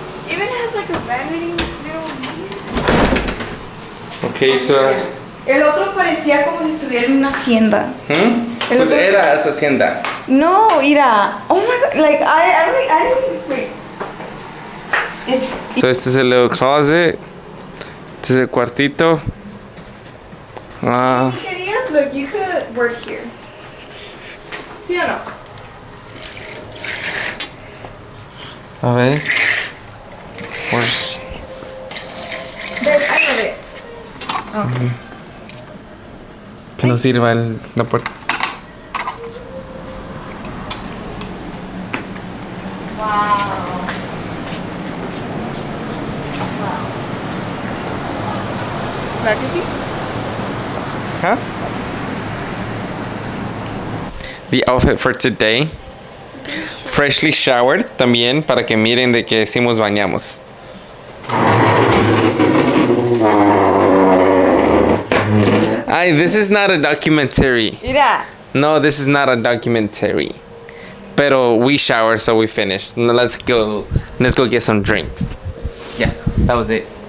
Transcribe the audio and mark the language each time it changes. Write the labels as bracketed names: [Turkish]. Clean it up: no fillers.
[English] Even it has like a vanity little mirror. Okay, so. [Spanish] El otro parecía como si estuviera en una hacienda. El pues otro... era esa hacienda. No, mira. [English] Oh my god, like I don't. So [Spanish] este es el [English] little closet. [Spanish] Este es el cuartito. [English] Hideous, look, you could work here. [Spanish] ¿Sí o no? A ver. [English] Babe, I love it. Okay. [Spanish] Que no sirva el, la puerta. [English] The outfit for today, freshly showered, [Spanish] también para que miren de que sí nos bañamos. [English] Ay, this is not a documentary. [Spanish] Mira. [English] No, this is not a documentary. [Spanish] Pero [English] we showered, so we finished. No, let's go get some drinks. Yeah, that was it.